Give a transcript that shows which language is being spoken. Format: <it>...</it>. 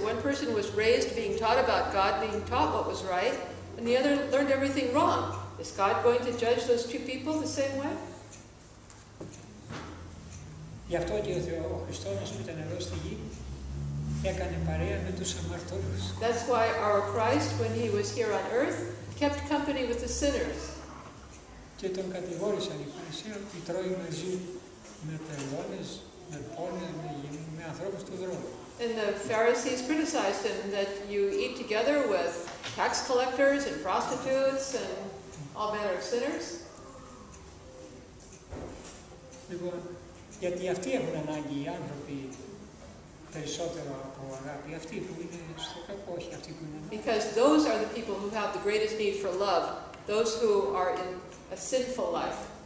<en>One person was raised being taught about God, being taught what was right, and the other learned everything wrong. Is God going to judge those two people the same way?</en> <el>Γι' αυτό και ο Θεός, ο Χριστός που ήταν εδώ στη γη, έκανε παρέα με τους αμαρτωλούς.</el> <en>That's why our Christ, when he was here on earth, kept company with the sinners.</en> <el>Και τον κατηγόρησαν οι Φαρισαίοι ότι τρώει μαζί με πελώνες, με πόνες, με ανθρώπους του δρόμου.</el> <en>And the Pharisees criticized him that you eat together with tax collectors and prostitutes and all manner of sinners.</en> <el>Λοιπόν, γιατί αυτοί έχουν ανάγκη οι άνθρωποι περισσότερο από αγάπη, αυτοί που είναι στο κακό, όχι αυτοί που είναι.</el> <en>Because those are the people who have the greatest need for love, those who are in a sinful life.</en>